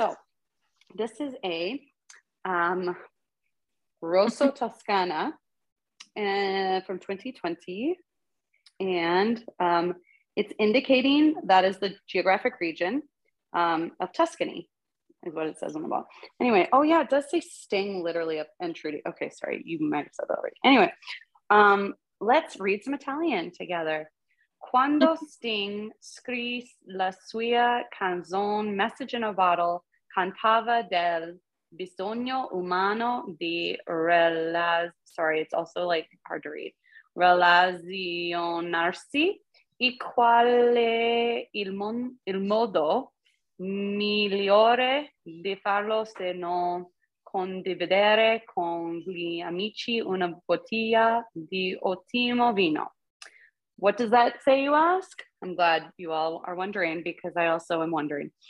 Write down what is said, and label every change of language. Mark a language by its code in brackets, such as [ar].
[en] So this is a Rosso Toscana from 2020. And it's indicating that is the geographic region of Tuscany, is what it says on the ball. Anyway, oh, yeah, it does say Sting literally up and Trudy. Okay, sorry, you might have said that already. Anyway. Let's read some Italian together. [it] Quando Sting scrisse la sua canzone Message in a Bottle, cantava del bisogno umano di relazionarsi, e quale il modo migliore di farlo se non condividere con gli amici una bottiglia di ottimo vino. [en] What does that say, you ask? I'm glad you all are wondering because I also am wondering.